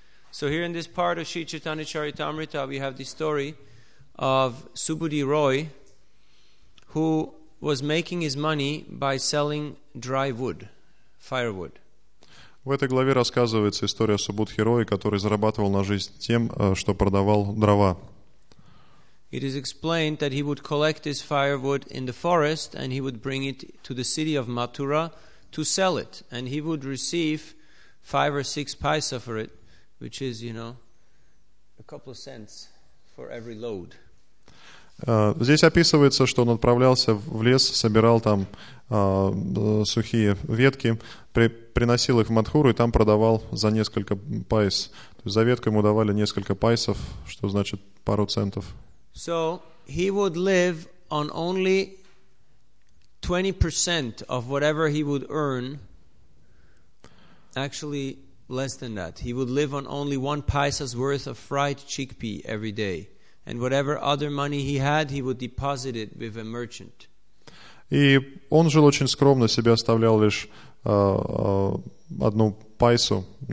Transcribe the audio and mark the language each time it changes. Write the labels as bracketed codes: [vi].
[en] So here in this part of Sri Chaitanya Charitamrita, we have the story of Subudhi Roy, who was making his money by selling dry wood, firewood. [ru] В этой главе рассказывается история Субудхи Рой, который зарабатывал на жизнь тем, что продавал дрова. [en] It is explained that he would collect his firewood in the forest and he would bring it to the city of Mathura to sell it. And he would receive 5 or 6 paisa for it, which is, you know, a couple of cents for every load. [ru] Здесь описывается, что он отправлялся в лес, собирал там сухие ветки, приносил их в Мадхуру и там продавал за несколько пайс. То есть за ветку ему давали несколько пайсов, что значит пару центов. [en] So he would live on only 20% of whatever he would earn. Actually, less than that. He would live on only one paisa's worth of fried chickpea every day. And whatever other money he had, he would deposit it with a merchant. [ru] И он жил очень скромно, себе оставлял лишь одну пайсу.